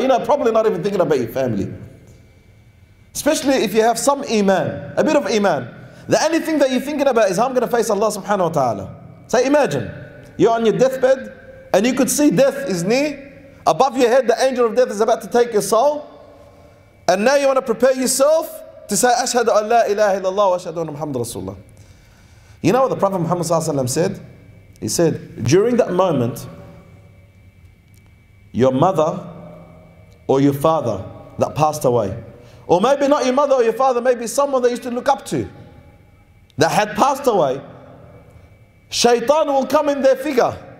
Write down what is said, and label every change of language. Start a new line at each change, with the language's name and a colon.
English: You're probably not even thinking about your family. Especially if you have some iman, a bit of iman. The only thing that you're thinking about is how I'm going to face Allah
Arabic: subhanahu wa ta'ala.
English: So imagine, you're on your deathbed and you could see death is near. Above your head, the angel of death is about to take your soul. And now you want to prepare yourself to say,
Arabic: أَشْهَدُ أَنْ لَا إِلَهَ إِلَّا اللَّهُ وَأَشْهَدُ أَنَّ مُحَمَّدَ رَسُولُ اللَّهِ.
English: You know what the Prophet Muhammad said? He said, during that moment, your mother or your father that passed away, or maybe not your mother or your father, maybe someone that you used to look up to that had passed away, shaitan will come in their figure.